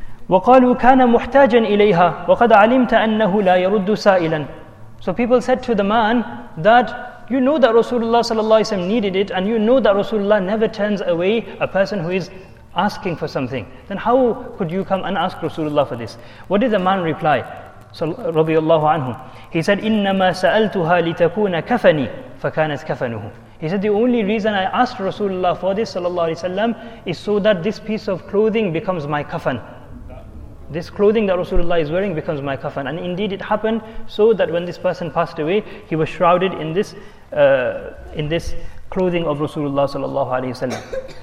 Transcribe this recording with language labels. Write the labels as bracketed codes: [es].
[ar] وَقَالُوا كَانَ مُحْتَاجًا إِلَيْهَا وَقَدْ عَلِمْتَ أَنَّهُ لَا يَرُدُّ سَائِلًا. [en] So people said to the man that you know that Rasulullah sallallahu alaihi wasallam needed it, and you know that Rasulullah never turns away a person who is asking for something. Then how could you come and ask Rasulullah for this? What did the man reply? So, radiallahu anhu, he said, [ar] إِنَّمَا سَأَلْتُهَا لِتَكُونَ كَفَنِي فَكَانَتْ كَفَنُهُ. [en] He said, the only reason I asked Rasulullah for this, sallallahu alayhi wa sallam, is so that this piece of clothing becomes my kafan. This clothing that Rasulullah is wearing becomes my kafan. And indeed it happened so that when this person passed away, he was shrouded in this clothing of Rasulullah sallallahu alayhi wa sallam.